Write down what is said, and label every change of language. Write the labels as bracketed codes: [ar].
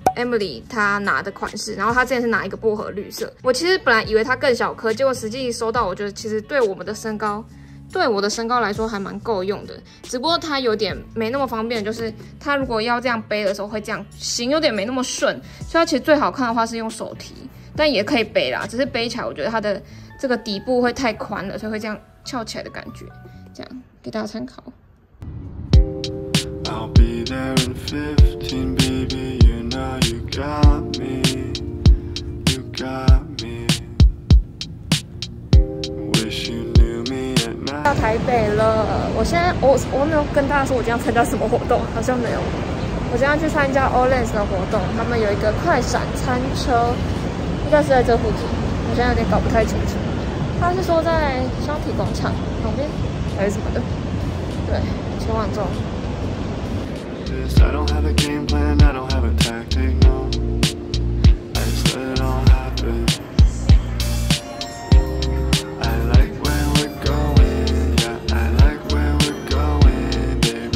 [zh] Emily 她拿的款式，然后她之前是拿一个薄荷绿色，我其实本来以为它更小颗，结果实际收到，我觉得其实对我们的身高，对我的身高来说还蛮够用的，只不过它有点没那么方便，就是它如果要这样背的时候会这样行，有点没那么顺，所以它其实最好看的话是用手提，但也可以背啦，只是背起来我觉得它的这个底部会太宽了，所以会这样翘起来的感觉，这样给大家参考。 [en] I'll be there in 15, baby, you know you got me, you got me. Wish you knew me at night. [zh] 到台北了，我现在我没有跟大家说我今天参加什么活动，好像没有。我今天去参加 Olens 的活动，他们有一个快闪餐车，应该是在这附近，我现在有点搞不太清楚。他是说在双体广场旁边还是什么的？对，前往中。 [en] I don't have a game plan, I don't have a tactic, no. I just let it all happen. I like where we're going, yeah. I like where we're going, babe.